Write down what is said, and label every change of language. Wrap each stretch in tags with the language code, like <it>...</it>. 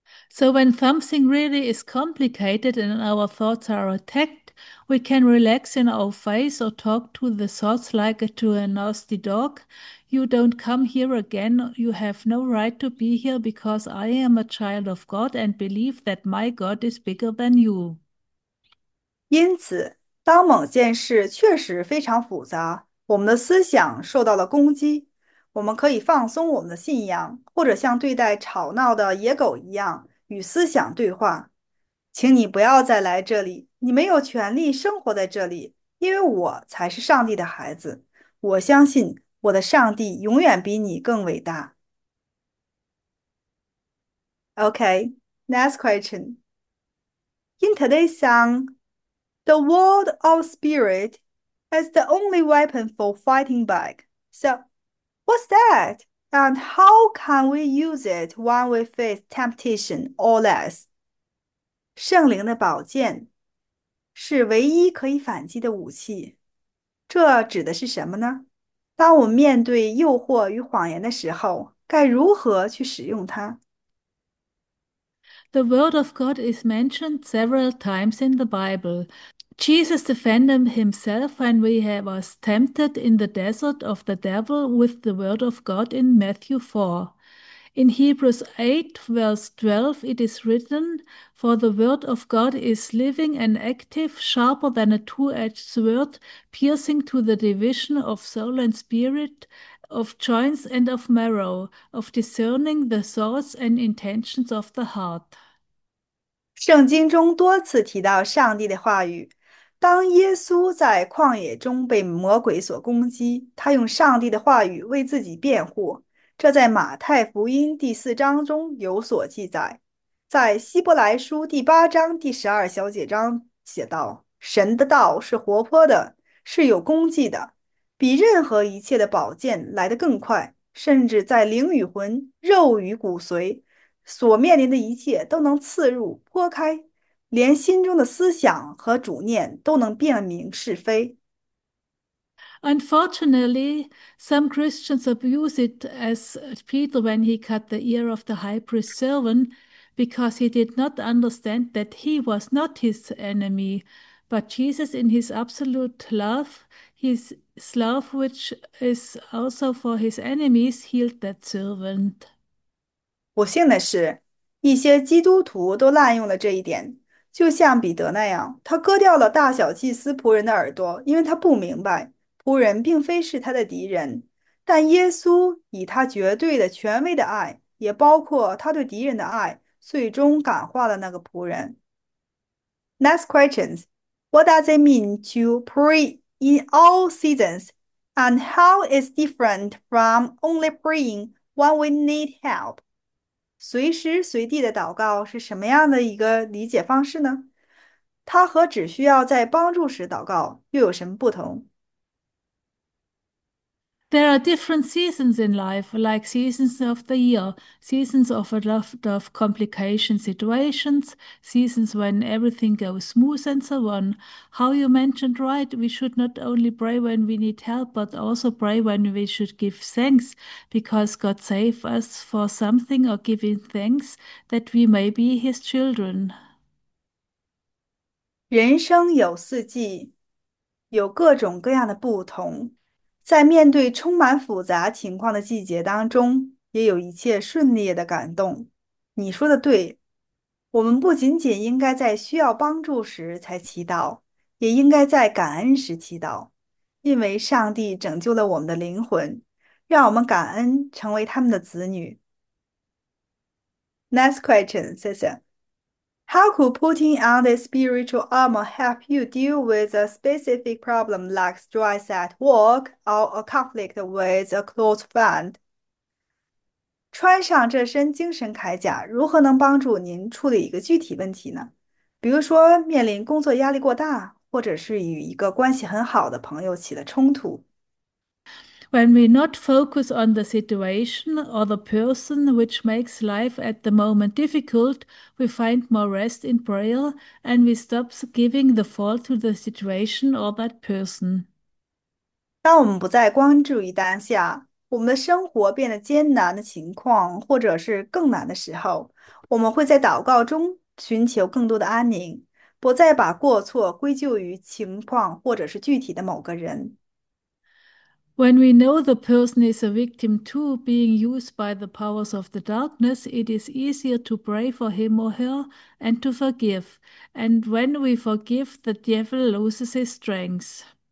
<en>So when something really is complicated and our thoughts are attacked, we can relax in our face or talk to the thoughts like to a nasty dog. You don't come here again. You have no right to be here because I am a child of God and believe that my God is bigger than you.</en> <zh>因此，当某件事确实非常复杂，我们的思想受到了攻击，我们可以放松我们的信仰，或者像对待吵闹的野狗一样与思想对话。请你不要再来这里，你没有权利生活在这里，因为我才是上帝的孩子。我相信我的上帝永远比你更伟大。</zh> <en>Okay, next question. In today's song, the word of spirit is the only weapon for fighting back. So, what's that? And how can we use it when we face temptation or less?</en> <zh>圣灵的宝剑是唯一可以反击的武器。这指的是什么呢？当我们面对诱惑与谎言的时候，该如何去使用它？</zh> <en>The word of God is mentioned several times in the Bible. Jesus defended himself when he was tempted in the desert of the devil with the word of God in Matthew 4. In Hebrews 8, verse 12, it is written, "For the word of God is living and active, sharper than a two-edged sword, piercing to the division of soul and spirit, of joints and of marrow, of discerning the thoughts and intentions of the heart."</en> <zh>圣经中多次提到上帝的话语。当耶稣在旷野中被魔鬼所攻击，他用上帝的话语为自己辩护。这在马太福音第四章中有所记载，在希伯来书第八章第十二小节章写道：“神的道是活泼的，是有功绩的，比任何一切的宝剑来得更快，甚至在灵与魂、肉与骨髓。” 所面临的一切都能刺入、剖开，连心中的思想和主念都能辨明是非。</zh> <en>Unfortunately, some Christians abuse it as Peter when he cut the ear of the high priest's servant because he did not understand that he was not his enemy, but Jesus in his absolute love, his love which is also for his enemies, healed that servant.</en> <zh>不幸的是，一些基督徒都滥用了这一点，就像彼得那样，他割掉了大小祭司仆人的耳朵，因为他不明白仆人并非是他的敌人。但耶稣以他绝对的权威的爱，也包括他对敌人的爱，最终感化了那个仆人。</zh> <en>Next questions: What does it mean to pray in all seasons, and how is different from only praying when we need help?</en> <zh>随时随地的祷告是什么样的一个理解方式呢？它和只需要在帮助时祷告又有什么不同？</zh> <en>There are different seasons in life, like seasons of the year, seasons of a lot of complication situations, seasons when everything goes smooth, and so on. How you mentioned, right? We should not only pray when we need help, but also pray when we should give thanks because God saved us for something or giving thanks that we may be His children.</en> <zh>人生有四季，有各种各样的不同。在面对充满复杂情况的季节当中，也有一切顺利的感动。你说的对，我们不仅仅应该在需要帮助时才祈祷，也应该在感恩时祈祷，因为上帝拯救了我们的灵魂，让我们感恩成为他们的子女。</zh> <en>Next question,</en> <zh>谢谢。</zh> <en>How could putting on the spiritual armor help you deal with a specific problem like stress at work or a conflict with a close friend?</en> <zh>穿上这身精神铠甲，如何能帮助您处理一个具体问题呢？比如说，面临工作压力过大，或者是与一个关系很好的朋友起了冲突。</zh> <en>When we not focus on the situation or the person which makes life at the moment difficult, we find more rest in prayer and we stop giving the fault to the situation or that person.</en> <zh>当我们不再关注于当下，我们的生活变得艰难的情况，或者是更难的时候，我们会在祷告中寻求更多的安宁，不再把过错归咎于情况或者是具体的某个人。</zh> <en>When we know the person is a victim too, being used by the powers of the darkness, it is easier to pray for him or her and to forgive. And when we forgive, the devil loses his strength.</en>